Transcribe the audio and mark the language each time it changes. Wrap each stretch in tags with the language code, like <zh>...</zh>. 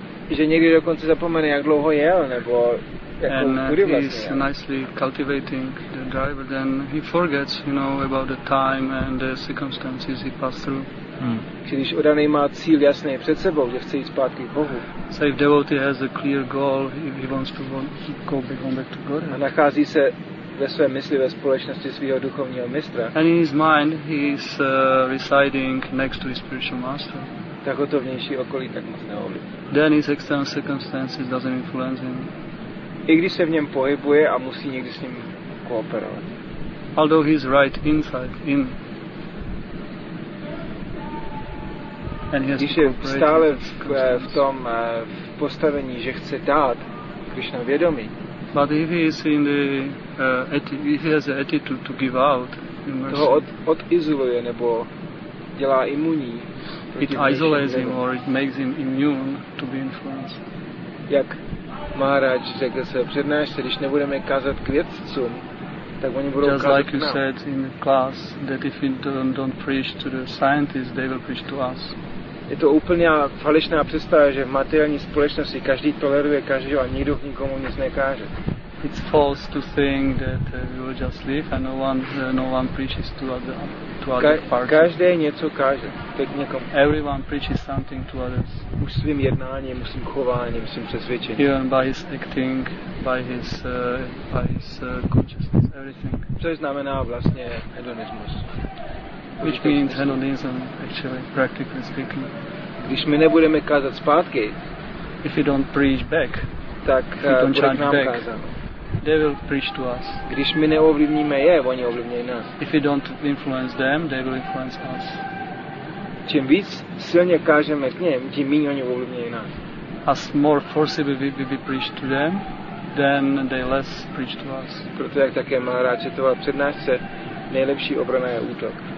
<cs>že někdy dokonce zapomene, jak dlouho jel, nebo jakou kudy vlastně.</cs> <en>And he's nicely cultivating the driver, then he forgets, you know, about the time and the circumstances he passed through.</en> <cs>Když udaný má cíl jasný před sebou, že chce jít zpátky k Bohu.</cs> <en>So if devotee has a clear goal, if he wants to go back to God.</en> <cs>A nachází se ve své mysli ve společnosti svého duchovního mistra.</cs> <en>And in his mind he is residing next to his spiritual master.</en> <cs>Tak to vnější okolí tak moc neovlivňuje.</cs> <en>Then his external circumstances doesn't influence him.</en> <cs>I když se v něm pohybuje a musí někdy s ním kooperovat.</cs> <en>Although he is right inside in. And he has</en> <cs>když je stále v tom v postavení, že chce dát Krishna vědomí.</cs> <en>But if he is in the if he has the attitude to give out in mercy,</en> <cs>toho odizoluje nebo dělá imunní.</cs> <en>It isolates him or it makes him immune to be influenced.</en> <cs>Jak Maharaj řekl se přednášce, když nebudeme kázat k vědcům, tak oni budou kázat.</cs> <en>Just like you said in the class, that if we don't preach to the scientists, they will preach to us.</en> <cs>Je to úplně falešná představa, že v materiální společnosti každý toleruje každého a nikdo nikomu nic nekáže.</cs> <en>It's false to think that we will just live and no one preaches to other parties.</en> <cs>Každý něco káže teď někomu.</cs> <en>Everyone preaches something to others.</en> <cs>Už svým jednáním, svým chováním, svým přesvědčením.</cs> <en>Even by his acting, by his consciousness, everything.</en> <cs>Co znamená vlastně hedonismus?</cs> <en>Which means hedonism, actually, practically speaking.</en> <cs>Když my nebudeme kázat zpátky,</cs> <en>if we don't preach back,</en> <cs>tak</cs> <en>don't</en> <cs>bude k nám</cs> <en>back,</en> <cs>kázano.</cs> <en>They will preach to us.</en> <cs>Když my neovlivníme je, oni ovlivňují nás.</cs> <en>If we don't influence them, they will influence us.</en> <cs>Čím víc silně kážeme k něm, tím méně oni ovlivňují nás.</cs> <en>As more forcibly we preach to them, then they less preach to us.</en> <cs>Proto jak také Maharaj četoval přednášce, nejlepší obrana je útok.</cs>